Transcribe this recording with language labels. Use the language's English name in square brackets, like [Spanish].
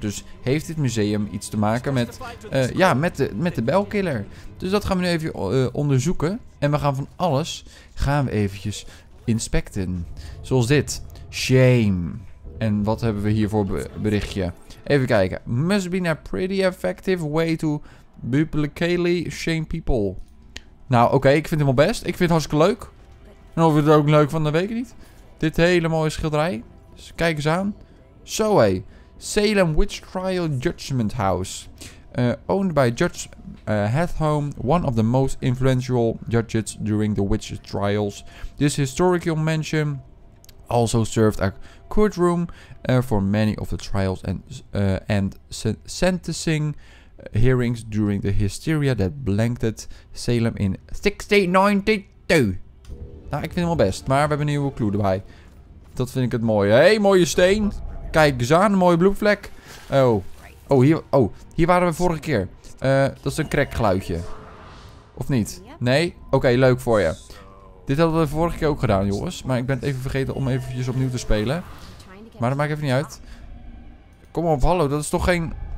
[Dutch] Dus heeft dit museum iets te maken met, met de Bellkiller? Dus dat gaan we nu even onderzoeken. En we gaan van alles, gaan we eventjes inspecten. Zoals dit. Shame. En wat hebben we hier voor berichtje? Even kijken. [English] Must be a pretty effective way to publicly shame people. [Dutch] Nou, oké, ik vind hem al best. Ik vind het hartstikke leuk. En of we het ook leuk van de week niet. Dit hele mooie schilderij. Dus kijk eens aan. Zo, hé. Hey. Salem Witch Trial Judgment House. [English] Owned by Judge Hathom, one of the most influential judges during the witch trials. This historical mansion also served a courtroom for many of the trials and sentencing hearings during the hysteria that blanketed Salem in 1692. [Dutch] Nou, ik vind hem wel best, maar we hebben een nieuwe clue erbij. Dat vind ik het mooie. Hé, hey, mooie steen. Kijk eens aan, een mooie bloedvlek. Hier waren we vorige keer. Dat is een crackgeluidje. Of niet? Nee? Oké, leuk voor je. Dit hadden we vorige keer ook gedaan, jongens. Maar ik ben het even vergeten om eventjes opnieuw te spelen. Maar dat maakt even niet uit. Kom op, hallo. Dat is toch geen...